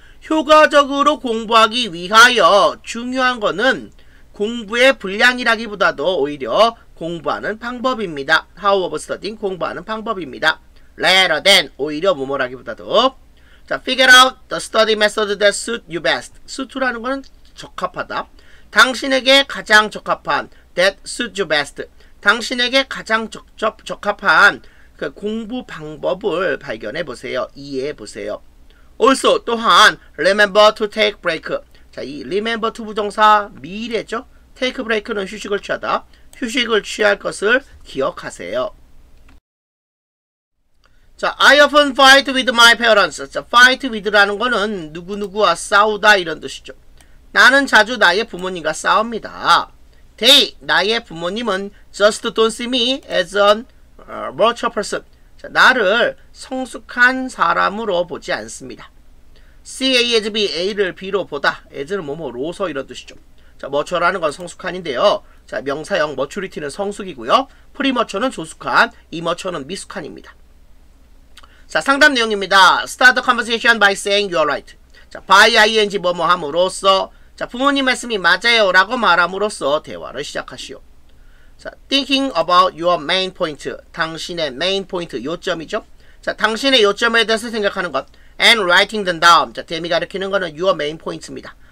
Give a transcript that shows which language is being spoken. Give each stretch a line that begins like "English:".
Korean: 효과적으로 공부하기 위하여 중요한 것은 공부의 분량이라기보다도 오히려 공부하는 방법입니다.
English: How of studying,
Korean: 공부하는 방법입니다.
English: Rather than,
Korean: 오히려 뭐뭐라기보다도.
English: 자, figure out the study method that suits you best.
Korean: suit라는 것은 적합하다. 당신에게 가장 적합한,
English: that suits you best.
Korean: 당신에게 가장 적합한 그 공부 방법을 발견해 보세요. 이해해 보세요.
English: Also, 또한, remember to take break.
Korean: 자, 이 remember to 부정사, 미래죠? take break는 휴식을 취하다. 휴식을 취할 것을 기억하세요. 자,
English: I often fight with my parents.
Korean: 자, fight with라는 거는 누구누구와 싸우다 이런 뜻이죠. 나는 자주 나의 부모님과 싸웁니다.
English: They,
Korean: 나의 부모님은
English: just don't see me as a mature person.
Korean: 자, 나를 성숙한 사람으로 보지 않습니다. CASB, A를 B로 보다. AS는 뭐뭐, 로서 이런 뜻이죠. 자, 머처라는 건 성숙한인데요. 자, 명사형 머추리티는 성숙이고요. 프리머처는 조숙한, 이머처는 미숙한입니다. 자, 상담 내용입니다.
English: Start the conversation by saying you are right.
Korean: 자, by ing 뭐뭐 함으로써, 자, 부모님 말씀이 맞아요 라고 말함으로써 대화를 시작하시오.
English: 자, thinking about your main point. 당신의 main point,
Korean: 요점이죠. 자, 당신의 요점에 대해서 생각하는 것.
English: and writing them down.
Korean: 자, 데미 가르치는 거는 your main point입니다.